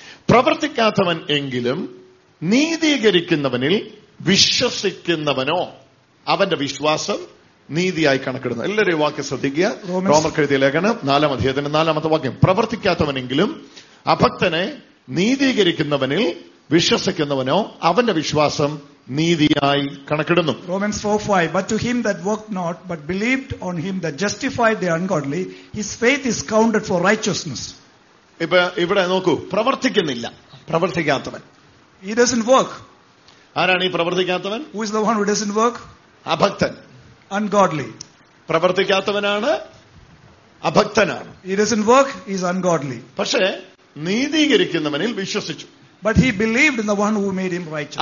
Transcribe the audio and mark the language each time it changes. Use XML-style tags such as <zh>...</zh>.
<ml>പ്രവർത്തിക്കാത്തവൻ എങ്കിലും നീതീകരിക്കുന്നവനിൽ വിശ്വസിക്കുന്നവനോ അവന്റെ വിശ്വാസം നീതിയായി കണക്കിടുന്നു. എല്ലാവരും വാക്യം ശ്രദ്ധിക്കുക. റോമർ എഴുതിയ ലേഖനം നാലാം അധ്യായത്തിന്റെ നാലാമത്തെ വാക്യം, പ്രവർത്തിക്കാത്തവനെങ്കിലും അഭക്തനെ നീതീകരിക്കുന്നവനിൽ വിശ്വസിക്കുന്നവനോ അവന്റെ വിശ്വാസം നീതിയായി കണക്കിടുന്നു.</ml> <en>Romans 4:5, but to him that worked not but believed on him that justified the ungodly, his faith is counted for righteousness.</en> <ml>ഇപ്പൊ ഇവിടെ നോക്കൂ, പ്രവർത്തിക്കുന്നില്ല, പ്രവർത്തിക്കാത്തവൻ.</ml> <en>He doesn't work.</en> <ml>ആരാണ് ഈ പ്രവർത്തിക്കാത്തവൻ?</ml> <en>Who is the one who doesn't work?</en> <ml>അഭക്തൻ.</ml> <en>Ungodly.</en> <ml>പ്രവർത്തിക്കാത്തവനാണ്, അഭക്തനാണ്.</ml> <en>He doesn't work, he is ungodly.</en> <ml>പക്ഷേ നീതീകരിക്കുന്നവനിൽ വിശ്വസിച്ചു.</ml> <en>But he believed in the one who made him righteous.</en>